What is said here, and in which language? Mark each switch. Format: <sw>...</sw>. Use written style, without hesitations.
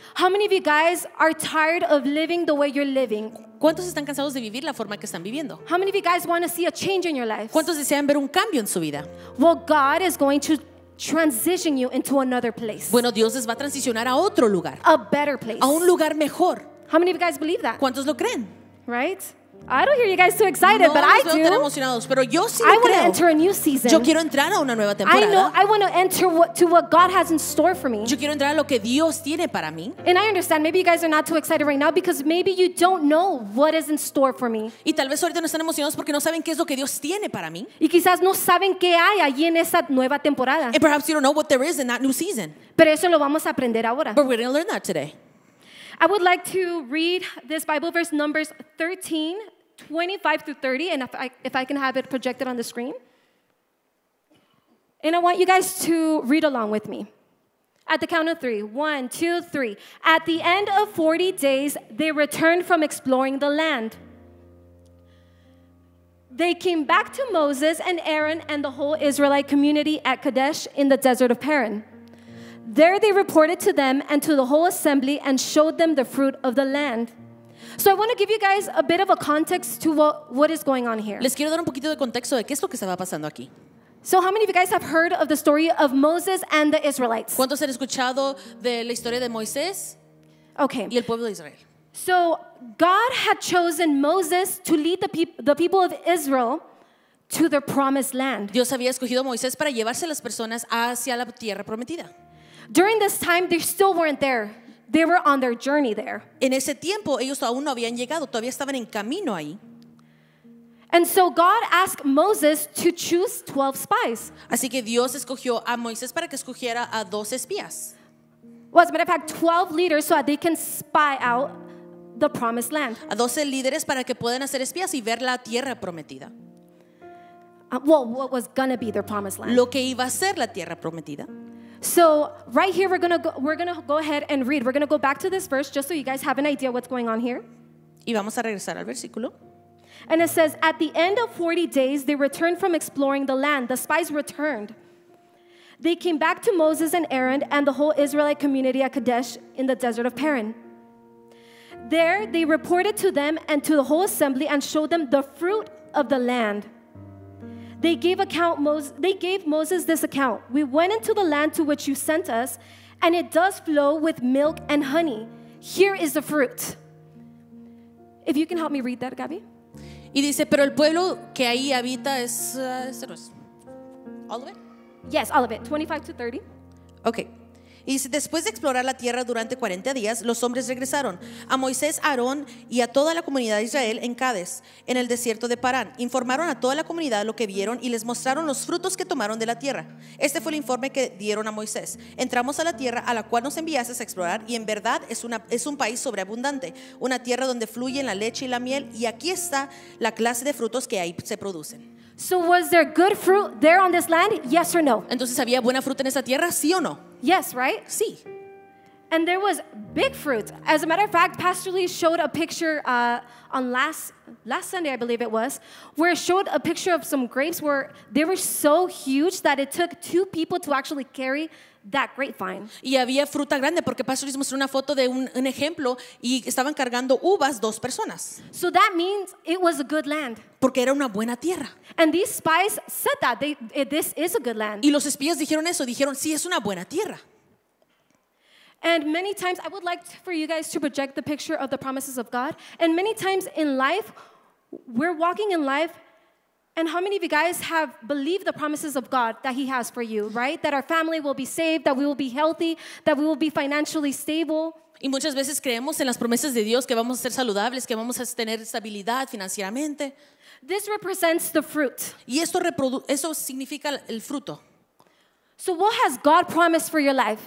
<en>How many of you guys are tired of living the way you're living?</en> <es>¿Cuántos están cansados de vivir la forma que están viviendo?</es> <en>How many of you guys want to see a change in your life?</en> <es>¿Cuántos desean ver un cambio en su vida?</es> <en>Well, God is going to transition you into another place.</en> <es>Bueno, Dios les va a transicionar a otro lugar.</es> <en>A better place.</en> <es>A un lugar mejor.</es> <en>How many of you guys believe that?</en> <es>¿Cuántos lo creen?</es> <en>Right? I don't hear you guys too excited,</en> <es>no,</es> <en>but I do.</en> <es>Tan emocionados, pero yo sí lo</es> <en>I want</en> <es>creo.</es> <en>To enter a new season.</en> <es>Yo quiero entrar a una nueva temporada.</es> <en>I know I want to enter to what God has in store for me.</en> <es>Yo quiero entrar a lo que Dios tiene para mí.</es> <en>And I understand maybe you guys are not too excited right now because maybe you don't know what is in store for me.</en> <es>Y tal vez ahorita no están emocionados porque no saben qué es lo que Dios tiene para mí. Y quizás no saben qué hay allí en esa nueva temporada.</es> <en>And perhaps you don't know what there is in that new season.</en> <es>Pero eso lo vamos a aprender ahora.</es> <en>But we're going to learn that today. I would like to read this Bible verse, Numbers 13, 25 through 30, and if I can have it projected on the screen. And I want you guys to read along with me. At the count of three, one, two, three. At the end of 40 days, they returned from exploring the land. They came back to Moses and Aaron and the whole Israelite community at Kadesh in the desert of Paran. There they reported to them and to the whole assembly and showed them the fruit of the land. So I want to give you guys a bit of a context to what is going on here.</en> <es>Les quiero dar un poquito de contexto de qué es lo que estaba pasando aquí.</es> <en>So how many of you guys have heard of the story of Moses and the Israelites?</en> <es>¿Cuántos han escuchado de la historia de Moisés?</es> <en>Okay.</en> <es>Y el pueblo de Israel.</es> <en>So God had chosen Moses to lead the people of Israel to their promised land.</en> <es>Dios había escogido a Moisés para llevarse a las personas hacia la tierra prometida.</es> <en>During this time, they still weren't there. They were on their journey there.</en> <es>En ese tiempo, ellos aún no habían llegado. Todavía estaban en camino ahí.</es> <en>And so God asked Moses to choose 12 spies.</en> <es>Así que Dios escogió a Moisés para que escogiera a 12 espías.</es> <en>Well, as a matter of fact, 12 leaders so that they can spy out the promised land.</en> <es>A 12 líderes para que puedan hacer espías y ver la tierra prometida.</es> <en>Well, what was going to be their promised land?</en> <es>Lo que iba a ser la tierra prometida.</es> <en>So right here we're gonna go ahead and read. We're gonna go back to this verse just so you guys have an idea what's going on here.</en> <es>Y vamos a regresar al versículo.</es> <en>And it says, at the end of 40 days, they returned from exploring the land. The spies returned. They came back to Moses and Aaron and the whole Israelite community at Kadesh in the desert of Paran. There they reported to them and to the whole assembly and showed them the fruit of the land. They gave Moses this account. We went into the land to which you sent us, and it does flow with milk and honey. Here is the fruit. If you can help me read that, Gabby.</en> <es>Y dice, pero el pueblo que ahí habita es,</es> <en>all of it? Yes, all of it, 25 to 30. Okay.</en> <es>Y dice, después de explorar la tierra durante 40 días, los hombres regresaron a Moisés, Aarón y a toda la comunidad de Israel en Cades, en el desierto de Parán. Informaron a toda la comunidad lo que vieron y les mostraron los frutos que tomaron de la tierra. Este fue el informe que dieron a Moisés. Entramos a la tierra a la cual nos enviaste a explorar y en verdad es un país sobreabundante, una tierra donde fluyen la leche y la miel, y aquí está la clase de frutos que ahí se producen.</es> <en>So was there good fruit there on this land? Yes or no?</en> <es>Entonces, ¿había buena fruta en esa tierra? ¿Sí o no?</es> <en>Yes, right?</en> <es>Sí.</es> <en>And there was big fruit. As a matter of fact, Pastor Lee showed a picture on last Sunday, I believe it was, where it showed a picture of some grapes where they were so huge that it took two people to actually carry that grapevine.</en> <es>Y había fruta grande porque Pastor Lee mostró una foto de un ejemplo y estaban cargando uvas dos personas.</es> <en>So that means it was a good land.</en> <es>Porque era una buena tierra.</es> <en>And these spies said that this is a good land.</en> <es>Y los espías dijeron eso, dijeron, sí, es una buena tierra.</es> <en>And many times I would like for you guys to project the picture of the promises of God. And many times in life, we're walking in life. And how many of you guys have believed the promises of God that he has for you, right? That our family will be saved, that we will be healthy, that we will be financially stable.</en> <es>Y muchas veces creemos en las promesas de Dios que vamos a ser saludables, que vamos a tener estabilidad financieramente.</es> <en>This represents the fruit.</en> <es>Y esto eso significa el fruto.</es> <en>So what has God promised for your life?</en>